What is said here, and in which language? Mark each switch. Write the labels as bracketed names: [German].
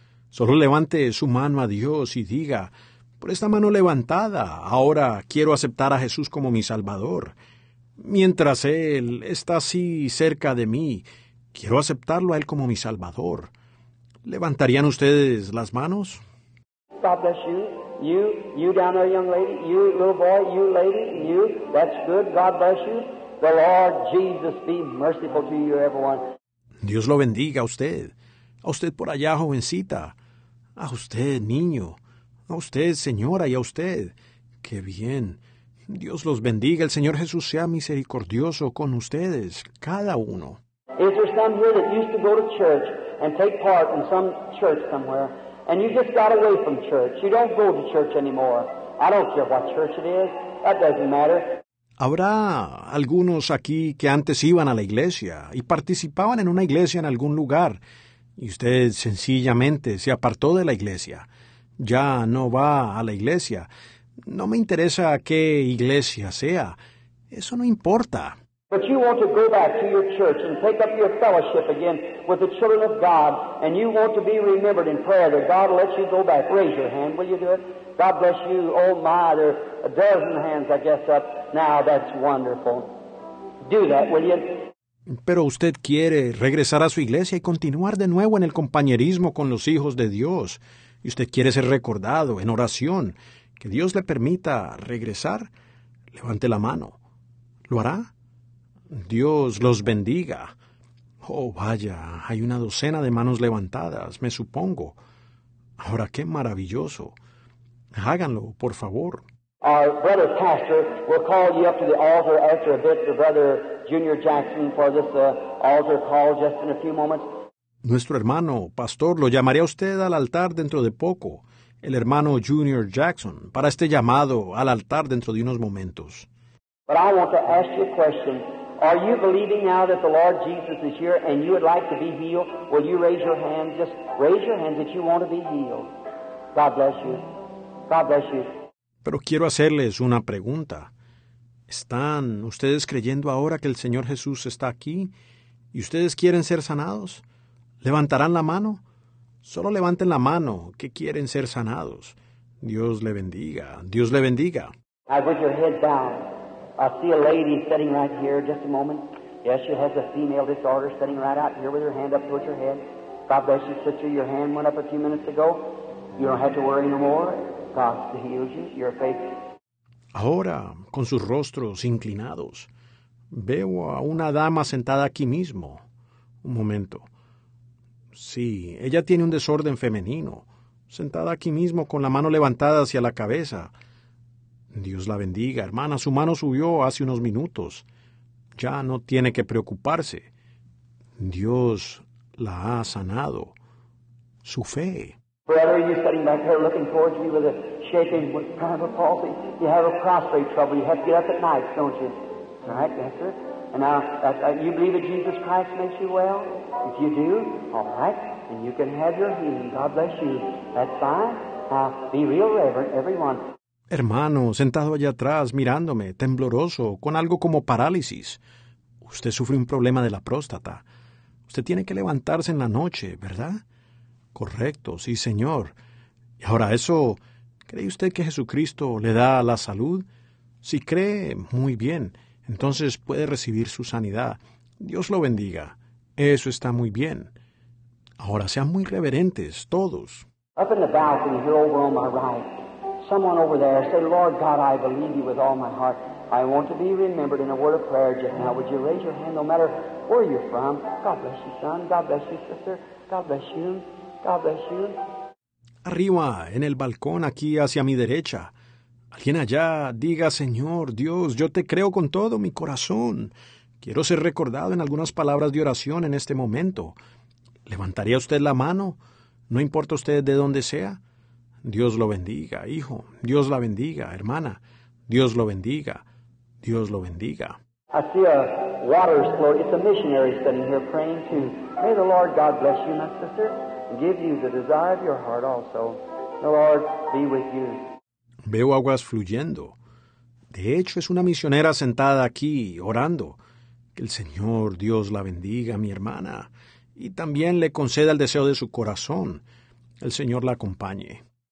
[Spanish] Solo levante su mano a Dios y diga, por esta mano levantada, ahora quiero aceptar a Jesús como mi Salvador. Mientras Él está así cerca de mí, quiero aceptarlo a Él como mi Salvador. ¿Levantarían ustedes las manos? [English] God bless you. You down there, young lady. You, little boy. You, lady. You. That's good. God bless you. The Lord Jesus be merciful to you, everyone. [Spanish] Dios lo bendiga a usted. A usted por allá, jovencita. A usted, niño. A usted, señora, y a usted. ¡Qué bien! Dios los bendiga. El Señor Jesús sea misericordioso con ustedes, cada uno. [English] Is there some here that used to go to church and take part in some church somewhere, and you just got away from church? You don't go to church anymore. I don't care what church it is. That doesn't matter. [Spanish] ¿Habrá algunos aquí que antes iban a la iglesia y participaban en una iglesia en algún lugar, y usted sencillamente se apartó de la iglesia? Ya no va a la iglesia. No me interesa qué iglesia sea. Eso no importa. [English] But you want to go back to your church and take up your fellowship again with the children of God, and you want to be remembered in prayer that God will let you go back. Raise your hand. Will you do it? God bless you. Oh, my, there are a dozen hands, I guess, up now. That's wonderful. Do that, will you? [Spanish] Pero usted quiere regresar a su iglesia y continuar de nuevo en el compañerismo con los hijos de Dios. Y usted quiere ser recordado en oración. Que Dios le permita regresar. Levante la mano. ¿Lo hará? Dios los bendiga. Oh, vaya, hay una docena de manos levantadas, me supongo. Ahora, qué maravilloso. Háganlo, por favor. [English] Our brother pastor will call you up to the altar after a bit, your brother Junior Jackson, for this altar call just in a few moments. [Spanish] Nuestro hermano pastor lo llamaré a usted al altar dentro de poco, el hermano Junior Jackson, para este llamado al altar dentro de unos momentos. [English] But I want to ask you a question. Are you believing now that the Lord Jesus is here and you would like to be healed? Will you raise your hand? Just raise your hand that you want to be healed. God bless you. God bless you. [Spanish] Pero quiero hacerles una pregunta. ¿Están ustedes creyendo ahora que el Señor Jesús está aquí y ustedes quieren ser sanados? ¿Levantarán la mano? Solo levanten la mano que quieren ser sanados. Dios le bendiga. Dios le bendiga. [English] I put your head down. I see a lady sitting right here, just a moment. Yes, she has a female disorder sitting right out here with her hand up towards her head. God bless you, sister. Your hand went up a few minutes ago. You don't have to worry no more. God heals you. Your faith. [Spanish] Ahora, con sus rostros inclinados, veo a una dama sentada aquí mismo. Un momento. Sí, ella tiene un desorden femenino, sentada aquí mismo con la mano levantada hacia la cabeza. Dios la bendiga, hermana. Su mano subió hace unos minutos. Ya no tiene que preocuparse. Dios la ha sanado. Su fe. [English] Brother, you're sitting back there looking towards me with a shaking, with kind of a palsy. You have a prostate trouble. You have to get up at night, don't you? All right, yes, sir. And now, you believe that Jesus Christ makes you well? If you do, all right, and you can have your healing. God bless you. That's fine. Now, be real reverent, everyone. [Spanish] Hermano, sentado allá atrás, mirándome, tembloroso, con algo como parálisis. Usted sufre un problema de la próstata. Usted tiene que levantarse en la noche, ¿verdad? Correcto, sí, Señor. Y ahora, ¿eso cree usted que Jesucristo le da la salud? Si cree, muy bien. Entonces puede recibir su sanidad. Dios lo bendiga. Eso está muy bien. Ahora sean muy reverentes, todos. [English] Up in the balcony here over on my right, someone over there said, Lord God, I believe you with all my heart. I want to be remembered in a word of prayer just now. Would you raise your hand no matter where you're from? God bless you, son. God bless you, sister. God bless you. God bless you. [Spanish] Arriba, en el balcón, aquí hacia mi derecha. Alguien allá, diga, Señor, Dios, yo te creo con todo mi corazón. Quiero ser recordado en algunas palabras de oración en este momento. ¿Levantaría usted la mano? ¿No importa usted de dónde sea? Dios lo bendiga, hijo. Dios la bendiga, hermana. Dios lo bendiga. Dios lo bendiga. [English] I see a water slope. It's a missionary sitting here praying too. May the Lord God bless you, my sister, and give you the desire of your heart also. The Lord be with you. [Spanish] Veo aguas fluyendo. De hecho, es una misionera sentada aquí, orando. Que el Señor Dios la bendiga, mi hermana, y también le conceda el deseo de su corazón. El Señor la acompañe.